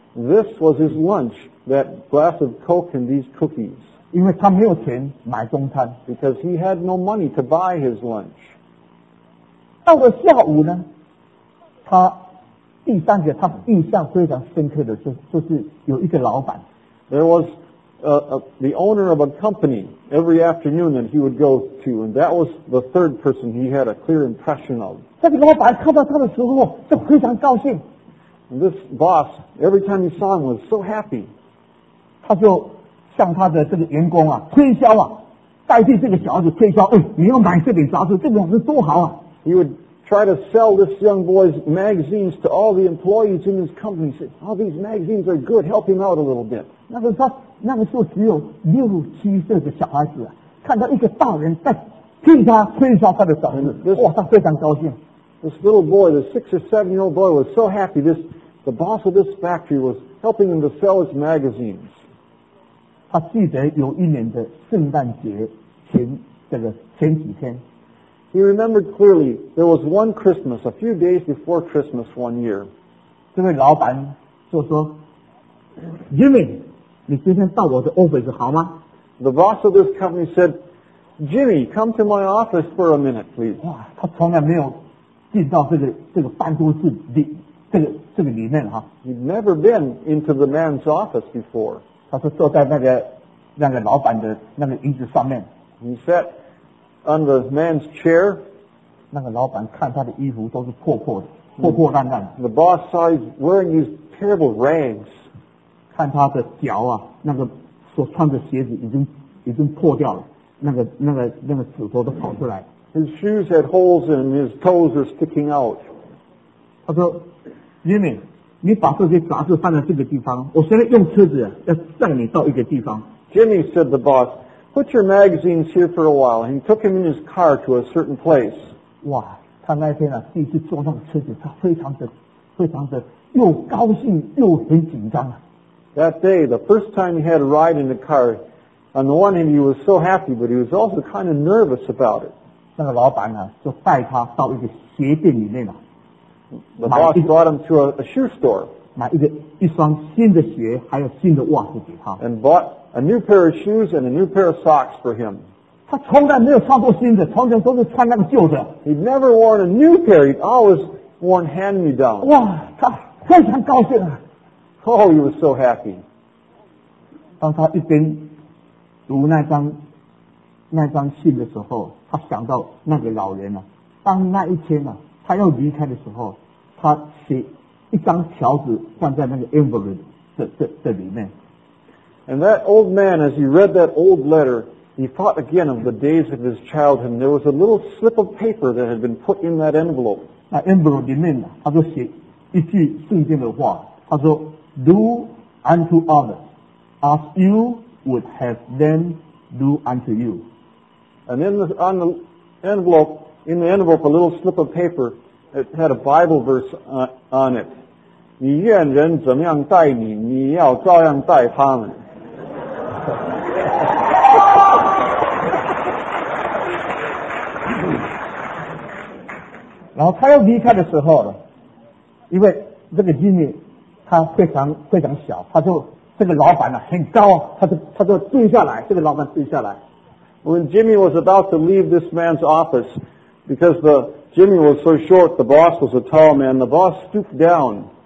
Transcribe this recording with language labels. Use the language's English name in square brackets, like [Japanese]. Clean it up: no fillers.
[English] This was his lunch, that glass of Coke and these cookies. [Chinese] 因为他没有钱买中餐。 [English] Because he had no money to buy his lunch. [Chinese] 到了下午呢，他第三个他印象非常深刻的就是有一个老板。 [English] There was the owner of a company every afternoon that he would go to, and that was the third person he had a clear impression of. [Chinese] 这个老板看到他的时候就非常高兴。 [English] And this boss, every time he saw him, was so happy. [Chinese] 他就向他的这个员工啊推销啊，代替这个小孩子推销，哎，你要买这本杂志，这本是多好啊。 [English] He would try to sell this young boy's magazines to all the employees in his company. He said, "Oh, these magazines are good. Help him out a little bit." [Chinese] 那个时候只有六七岁的小孩子啊，看到一个大人在替他推销他的杂志，哇，他非常高兴。 [English] This little boy, the 6 or 7 year old boy, was so happy. The boss of this factory was helping him to sell his magazines. [Chinese] 他记得有一年的圣诞节前几天。 [English] He remembered clearly there was one Christmas, a few days before Christmas one year. [Chinese] 这位老板就说 Jimmy, 你今天到我的 office 好吗？ [English] The boss of this company said, Jimmy, come to my office for a minute, please. [Chinese] 哇，他从来没有进到这个办公室里，这个里面哈。 [English] He'd never been into the man's office before. [Chinese] 他说坐在那个老板的那个椅子上面。 [English] He said,on the man's chair. [Chinese] 那个老板看他的衣服都是破破的，破破烂烂。 [English] The boss saw he's wearing these terrible rags. [Chinese] 看他的脚啊，那个所穿的鞋子已经破掉了，那个指头都跑出来。 [English] His shoes had holes and his toes are sticking out. [Chinese] 他说 Jimmy, 你把这些杂志放在这个地方，我现在用车子要载你到一个地方。 [English] Jimmy, said the boss,put your magazines here for a while. He took him in his car to a certain place. [Chinese] 哇，他那天啊，第一次坐上车子，他非常的又高兴又很紧张啊。 [English] That day, the first time he had a ride in the car, on the one hand he was so happy, but he was also kind of nervous about it. [Chinese] 那个老板呢，就带他到一个鞋店里面啊。 [English] The boss brought him to a shoe store. [Chinese] 买一双新的鞋，还有新的袜子给他。 [English] And bought a new pair of shoes and a new pair of socks for him. [Chinese] 他从来没有穿过新的，从前都是穿那个旧的。 [English] He'd never worn a new pair. He'd always worn hand-me-downs. [Chinese] 哇，他非常高兴啊。 [English] Oh, he was so happy. [Chinese] 当他一边读那张信的时候，他想到那个老人啊，当那一天啊，他要离开的时候，他写一张条子放在那个 envelope 的里面。 [English] And that old man, as he read that old letter, he thought again of the days of his childhood, and there was a little slip of paper that had been put in that envelope. [Chinese] 那 envelope 里面呢，他就写一句圣经的话，他说 [English] Do unto others as you would have them do unto you. And in the envelope, a little slip of paper, it had a Bible verse on it. [Chinese] 你愿人怎么样待你，你要照样待他们。然后他要离开的时候，因为这个 Jimmy 他非常非常小，他就这个老板啊很糟啊，他就跪下来，这个老板跪下来。 [English] When Jimmy was about to leave this man's office, because Jimmy was so short, the boss was a tall man, the boss stooped down.